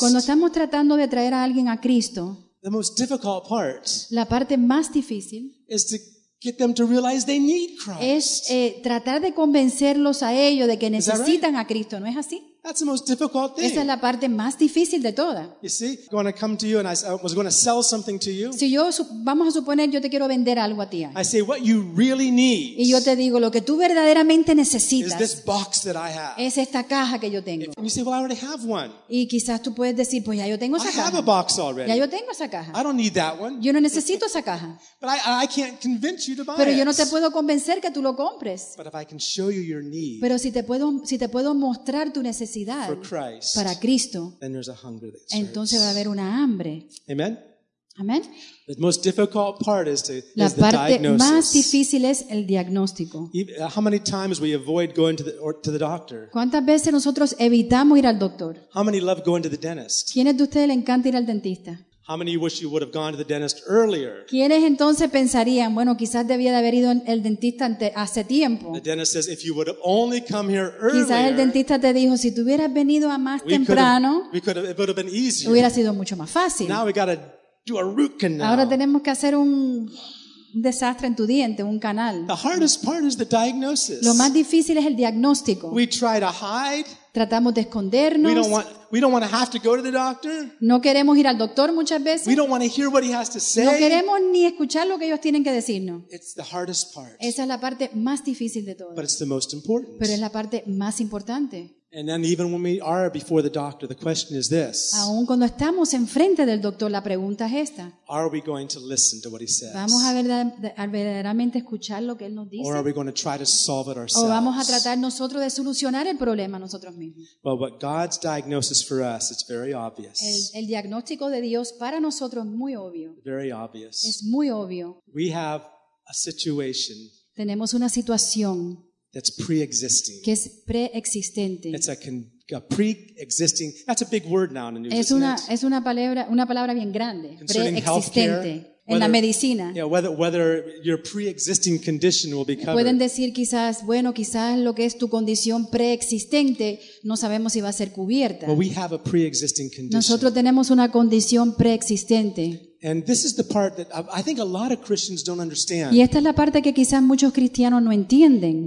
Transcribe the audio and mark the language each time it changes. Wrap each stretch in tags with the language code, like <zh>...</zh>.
<es>Cuando estamos tratando de traer a alguien a Cristo,</es> <en>the most difficult part,</en> <es>la parte más difícil,</es> <en>is to get them to realize they need Christ.</en> <es>Es tratar de convencerlos a ellos de que necesitan a Cristo, ¿no es así?</es> <en>That's the most difficult thing.</en> <es>Esa es la parte más difícil de toda.</es> <en>You see, when I come to you and I was going to sell something to you.</en> <es>Si yo, vamos a suponer, yo te quiero vender algo a ti.</es> <en>I say what you really need.</en> <es>Y yo te digo lo que tú verdaderamente necesitas.</es> <en>Is this box that I have.</en> <es>Es esta caja que yo tengo.</es> <en>And you say, well, I already have one.</en> <es>Y quizás tú puedes decir, pues ya yo tengo esa caja.</es> <en>I have a box already.</en> <es>Ya yo tengo esa caja.</es> <en>I don't need that one.</en> <es>Yo no necesito esa caja.</es> <en>But I can't convince you to buy it.</en> <es>Pero yo no te puedo convencer que tú lo compres.</es> <en>But if I can show you your need.</en> <es>Pero si te puedo mostrar tu necesidad.</es> <en>For Christ,</en> <es>para Cristo,</es> <en>then there's a hunger that serves.</en> <es>Entonces va a haber una hambre.</es> <en>Amen.</en> <es>Amen.</es> <en>The most difficult part is the diagnosis.</en> <es>La parte más difícil es el diagnóstico.</es> <en>How many times we avoid going to the doctor?</en> <es>¿Cuántas veces nosotros evitamos ir al doctor?</es> <en>How many love going to the dentist?</en> <es>¿Quiénes de ustedes le encanta ir al dentista?</es> <en>How many wish you would have gone to the dentist earlier?</en> <es>¿Quiénes entonces pensarían, bueno, quizás debía de haber ido al dentista hace tiempo?</es> <en>The dentist says, if you would have only come here earlier.</en> <es>Quizás el dentista te dijo, si tú hubieras venido a más temprano,</es> <en>it would have been easier.</en> <es>Hubiera sido mucho más fácil.</es> <en>Now we got to do a root canal.</en> <es>Ahora tenemos que hacer un desastre en tu diente, un canal.</es> <en>The hardest part is the diagnosis.</en> <es>Lo más difícil es el diagnóstico.</es> <en>We try to hide.</en> <es>Tratamos de escondernos.</es> <en>We don't want to have to go to the doctor.</en> <es>No queremos ir al doctor muchas veces.</es> <en>We don't want to hear what he has to say.</en> <es>No queremos ni escuchar lo que ellos tienen que decirnos.</es> <en>It's the hardest part.</en> <es>Esa es la parte más difícil de todas.</es> <en>But it's the most important.</en> <es>Pero es la parte más importante.</es> <en>And then even when we are before the doctor, the question is this.</en> <es>Aún cuando estamos enfrente del doctor, la pregunta es esta.</es> <en>Are we going to listen to what he says?</en> <es>¿Vamos a verdaderamente escuchar lo que él nos dice?</es> <en>Or are we going to try to solve it ourselves?</en> <es>¿O vamos a tratar nosotros de solucionar el problema nosotros mismos?</es> <en>Well, but God's diagnosis for us, it's very obvious.</en> <es>El diagnóstico de Dios para nosotros es muy obvio.</es> <en>Very obvious.</en> <es>Es muy obvio.</es> <en>We have a situation.</en> <es>Tenemos una situación.</es> <en>That's pre-existing.</en> <es>Que es pre-existente.</es> <en>It's a pre-existing. That's a big word now in the news.</en> <es>Es una palabra bien grande. Pre-existente. En la medicina.</es> <en>Yeah, whether your pre-existing condition will be covered.</en> <es>Pueden decir quizás, bueno, quizás lo que es tu condición pre-existente, no sabemos si va a ser cubierta.</es> <en>But we have a pre-existing condition.</en> <es>Nosotros tenemos una condición pre-existente.</es> <en>And this is the part that I think a lot of Christians don't understand.</en> <es>Y esta es la parte que quizás muchos cristianos no entienden.</es>